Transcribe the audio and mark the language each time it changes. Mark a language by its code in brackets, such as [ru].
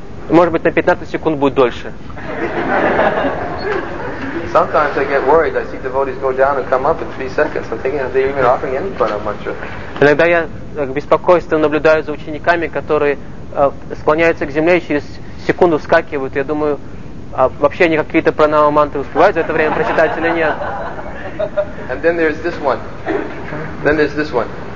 [ru] Может быть, на 15 секунд будет дольше. [en] Sometimes I get worried. I see devotees go down and come up in 3 seconds. I'm thinking, are they even offering any Prabhupada? [ru] Иногда я беспокойство наблюдаю за учениками, которые склоняются к земле и через секунду вскакивают. Я думаю, а вообще они какие-то пранава мантры успевают за это время прочитать или нет? [en] And then there's this one. Then there's this one.